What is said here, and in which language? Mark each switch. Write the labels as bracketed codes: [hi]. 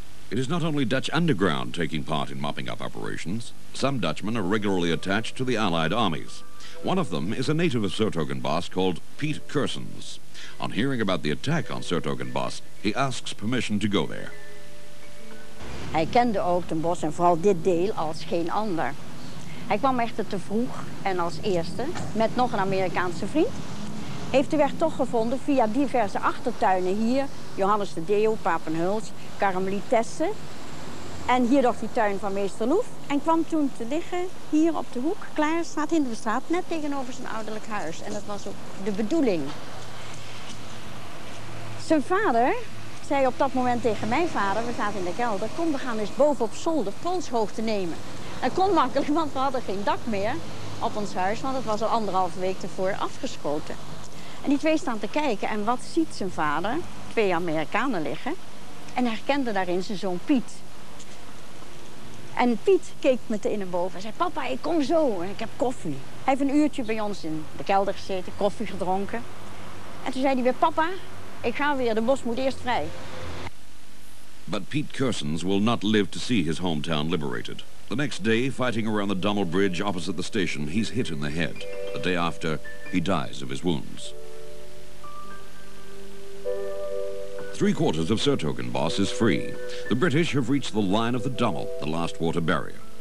[en] It is not only Dutch underground taking part in mopping up operations. Some Dutchmen are regularly attached to the Allied armies. One of them is a native of Sertogenbosch called Piet Cursens. On hearing about the attack on Sertogenbosch, he asks permission to go there. [nl] Hij kende ook Den Bosch en vooral dit deel als geen ander. Hij kwam echter te vroeg en als eerste met nog een Amerikaanse vriend. Heeft de weg toch gevonden via diverse achtertuinen hier. Johannes de Deo, Papenhuls, Karmelitesse. En hierdoor die tuin van meester Loef. En kwam toen te liggen hier op de hoek, Klaarstraat, Hinderstraat, net tegenover zijn ouderlijk huis. En dat was ook de bedoeling. Zijn vader zei op dat moment tegen mijn vader, we zaten in de kelder, kom, we gaan eens boven op zolder polshoogte nemen. Dat kon makkelijk, want we hadden geen dak meer op ons huis, want het was al anderhalve week ervoor afgeschoten. En die twee staan te kijken en wat ziet zijn vader? Twee Amerikanen liggen en herkende daarin zijn zoon Piet. En Piet keek meteen naar boven en zei, papa, ik kom zo en ik heb koffie. Hij heeft een uurtje bij ons in de kelder gezeten, koffie gedronken. En toen zei hij weer, papa, ik ga weer, de bos moet eerst vrij. [en] But Piet Cursens will not live to see his hometown liberated. The next day, fighting around the Dommel Bridge opposite the station, he's hit in the head. The day after, he dies of his wounds. Three quarters of Sertogenbosch is free. The British have reached the line of the Dommel, the last water barrier.